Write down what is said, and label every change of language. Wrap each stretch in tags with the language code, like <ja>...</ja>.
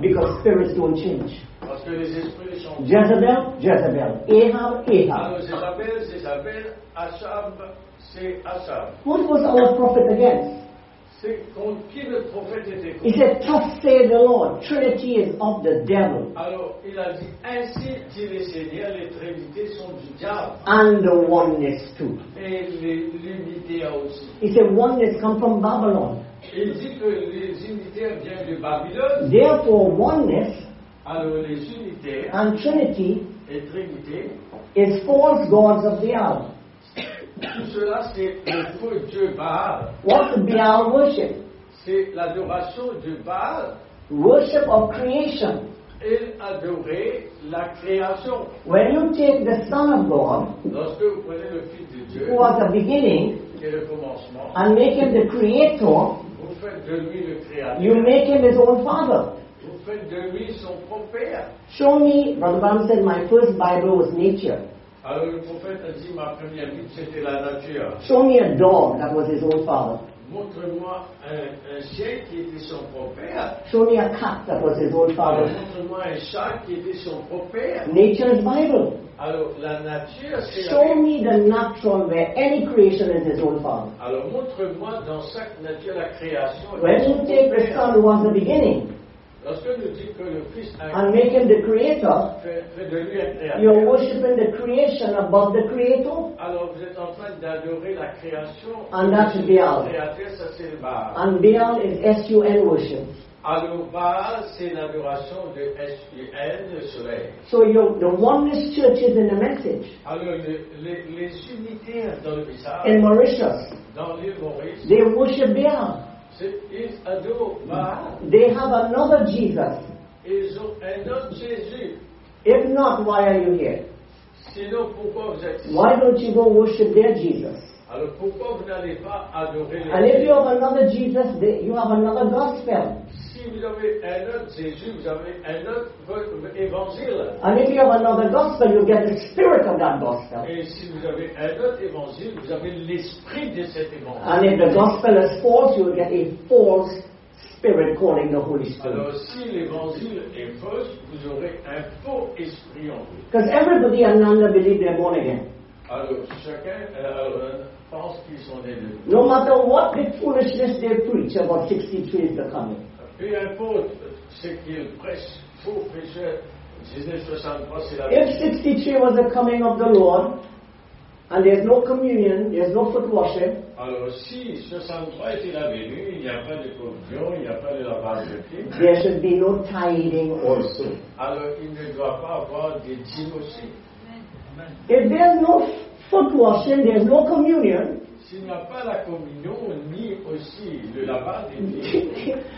<en>Because spirits don't change.</en> <fr>Parce que les esprits changent.</fr> <en>Jezebel, Jezebel. Ahab, Ahab.</en> <fr>Alors Jezabel, Jezabel. Ahab, c'est Ahab.</fr> <en>What was our prophet against?</en> <fr>C'est contre qui le prophète était contre.</fr> <en>He said, thus saith the Lord, Trinity is of the devil.</en> <fr>Alors, il a dit, ainsi dit le Seigneur, les trinités sont du diable.</fr> <en>And the oneness too.</en> <fr>Et l'unité aussi.</fr> <en>He said, oneness come from Babylon.</en> <fr>Il dit que les unités viennent de Babylone.</fr> <en>Therefore, oneness</en> <fr>alors, les unités</fr> <en>and Trinity</en> <fr>et Trinité</fr> <en>is false gods of the diable.</en> <fr>Tout cela, c'est le faux Dieu Baal.</fr> <en>What Baal worship?</en> <fr>C'est l'adoration de Baal.</fr> <en>Worship of creation.</en> <fr>Et adorer la création.</fr> <en>When you take the Son of God,</en> <fr>lorsque vous prenez le Fils de Dieu,</fr> <en>who was the beginning,</en> <fr>qui est le commencement,</fr> <en>and make him the creator,</en> <fr>vous faites de lui le créateur.</fr> <en>You make him his own father.</en> <fr>Vous faites de lui son propre père.</fr> <en>Show me, Brother Bam said, my first Bible was nature.</en> <fr>Alors le prophète a dit ma première Bible c'était la nature.</fr> <en>Show me a dog that was his own father.</en> <fr>Montre-moi un chien qui était son propre.</fr> <en>Show me a cat that was his own father.</en> <fr>Alors, montre-moi un chat qui était son propre.</fr> <en>Nature is Bible.</en> <fr>Alors la nature c'est.</fr> <en>Show me the natural where any creation is his own father.</en> <fr>Alors montre-moi dans chaque nature la création.</fr> <en>When you take the Son who was the beginning.</en> <fr>Lorsque nous dit que le Christ a</fr> <en>and make him the creator,</en> <fr>fait de lui un créateur.</fr> <en>You're worshiping the creation above the creator.</en> <fr>Alors vous êtes en train d'adorer la création.</fr> <en>And that's Baal.</en> <fr>Ça c'est Baal.</fr> <en>And Baal is S-U-N worship.</en> <fr>Alors Baal c'est l'adoration de S-U-N, le soleil.</fr> <en>So you the oneness church is in the message.</en> <fr>Alors les unités dans le message.</fr> <en>In Mauritius.</en> <fr>Dans l'île Maurice.</fr> <en>They worship Baal.</en> <fr>Ils adorent Baal.</fr> <en>They have another Jesus.</en> <fr>Ils ont un autre Jésus.</fr> <en>If not, why are you here?</en> <fr>Sinon, pourquoi vous êtes ici?</fr> <en>Why don't you go worship their Jesus?</en> <fr>Alors pourquoi vous n'allez pas adorer les</fr> <en>And if you have another Jesus, you have another gospel.</en> <fr>Si vous avez un autre Jésus, vous avez un autre évangile.</fr> <en>And if you have another gospel, you get the spirit of that gospel.</en> <fr>Et si vous avez un autre évangile, vous avez l'esprit de cet évangile.</fr> <en>And if the gospel is false, you will get a false spirit calling the Holy Spirit.</en> <fr>Alors si l'évangile est fausse, vous aurez un faux esprit en vous.</fr> <en>Because everybody and Nanda believe they're born again.</en> <fr>Alors, chacun pense qu'ils sont des deux.</fr> <en>No matter what the foolishness they preach about 63 is the coming.</en> <fr>Peu importe ce qu'ils prêchent, faux prêcheurs, 1963 c'est la</fr> <en>If 63 was the coming of the Lord, and there's no communion, there's no foot washing.</en> <fr>Alors, si 63 était la venue, il n'y a pas de communion, il n'y a pas de lavage de pieds.</fr> <en>There should be no tithing also.</en> <fr>Alors, il ne doit pas avoir de dîme aussi.</fr> <en>If there's no foot washing, there's no communion.</en> <fr>S'il n'y a pas la communion ni aussi le lavage des pieds,</fr>